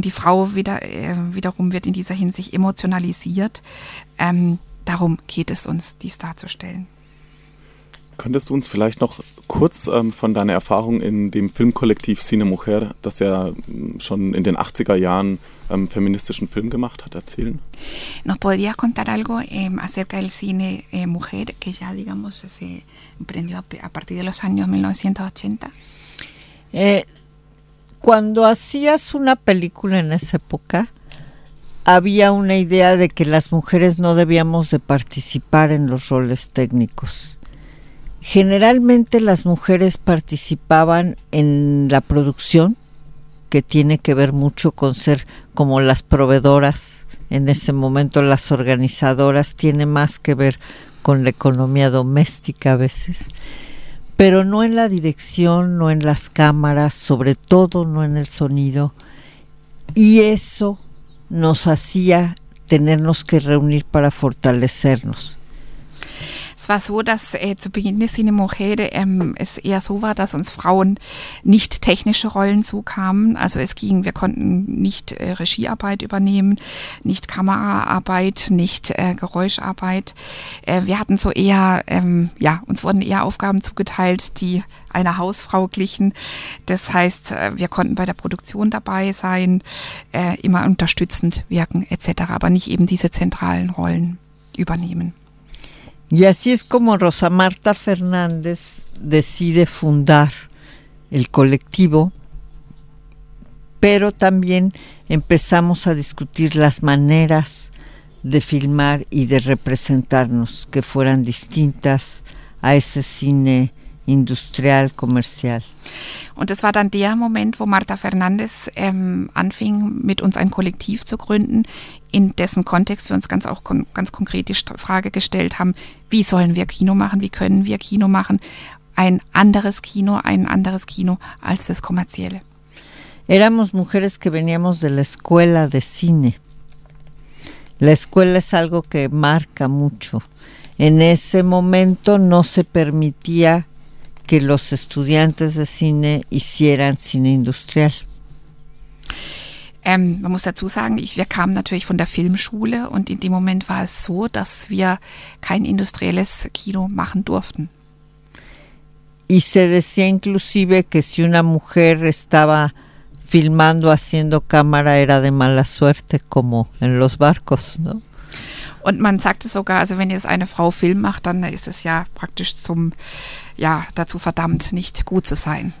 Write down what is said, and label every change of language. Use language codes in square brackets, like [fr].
[de] Die Frau wiederum wird in dieser Hinsicht emotionalisiert. Darum geht es uns, dies darzustellen. Könntest du uns vielleicht noch kurz von deiner Erfahrung in dem Filmkollektiv Cine Mujer, das ja schon in den 80er Jahren feministischen Film gemacht hat, erzählen? [es] ¿Nos podrías contar algo acerca del cine mujer que ya digamos se emprendió a partir de los años 1980? Cuando hacías una película en esa época, había una idea de que las mujeres no debíamos de participar en los roles técnicos. Generalmente las mujeres participaban en la producción, que tiene que ver mucho con ser como las proveedoras, en ese momento las organizadoras, tiene más que ver con la economía doméstica a veces, pero no en la dirección, no en las cámaras, sobre todo no en el sonido, y eso nos hacía tenernos que reunir para fortalecernos. [de] Es war so, dass zu Beginn des Cine Mujer es eher so war, dass uns Frauen nicht technische Rollen zukamen. Also es ging, wir konnten nicht Regiearbeit übernehmen, nicht Kameraarbeit, nicht Geräuscharbeit. Wir hatten so eher, uns wurden eher Aufgaben zugeteilt, die einer Hausfrau glichen. Das heißt, wir konnten bei der Produktion dabei sein, immer unterstützend wirken etc., aber nicht eben diese zentralen Rollen übernehmen. [es] Y así es como Rosa Marta Fernández decide fundar el colectivo pero también empezamos a discutir las maneras de filmar y de representarnos que fueran distintas a ese cine industrial, comercial. [de] Und es war dann der Moment, wo Marta Fernandez anfing, mit uns ein Kollektiv zu gründen, in dessen Kontext wir uns ganz auch ganz konkret die Frage gestellt haben, wie sollen wir Kino machen, wie können wir Kino machen, ein anderes Kino als das kommerzielle. [es] Éramos mujeres que veníamos de la escuela de cine. La escuela es algo que marca mucho. En ese momento no se permitía que los estudiantes de cine hicieran cine industrial. [de] Man muss dazu sagen, wir kamen natürlich von der Filmschule und in dem Moment war es so, dass wir kein industrielles Kino machen durften. [es] Y se decía inclusive que si una mujer estaba filmando, haciendo cámara, era de mala suerte, como en los barcos, ¿no? [de] Und man sagte sogar, also wenn jetzt eine Frau Film macht, dann ist es ja praktisch zum, ja, dazu verdammt, nicht gut zu sein.